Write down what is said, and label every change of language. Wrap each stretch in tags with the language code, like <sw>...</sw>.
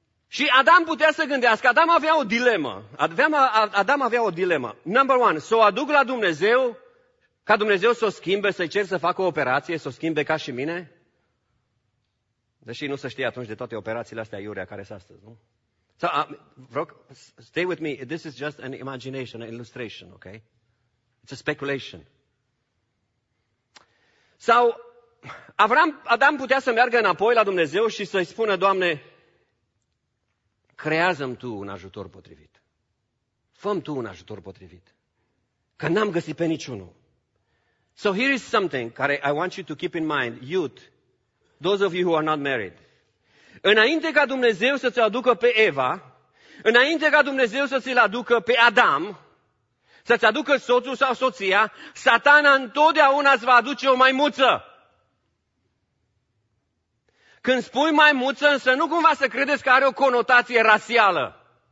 <ro>Și Adam putea să gândească, Adam avea o dilemă. Adam avea o dilemă.</ro> <en>Number one,</en> <ro>să o aduc la Dumnezeu, ca Dumnezeu să o schimbe, să-i cer să facă o operație, să o schimbe ca și mine? Deși nu se știe atunci de toate operațiile astea iurea care sunt astăzi, nu?</ro> <en>So, stay with me, this is just an imagination, an illustration, ok? It's a speculation.</en> <ro>Sau Adam putea să meargă înapoi la Dumnezeu și să-i spună, Doamne, creează-mi Tu un ajutor potrivit. Fă-mi Tu un ajutor potrivit. Că n-am găsit pe niciunul.</ro> <en>So here is something care I want you to keep in mind, youth, those of you who are not married.</en> <ro>Înainte ca Dumnezeu să-ți aducă pe Eva, înainte ca Dumnezeu să-ți-l aducă pe Adam, să-ți aducă soțul sau soția, Satana întotdeauna îți va aduce o maimuță. Când spui maimuță, însă nu cumva să credeți că are o conotație rasială.</ro>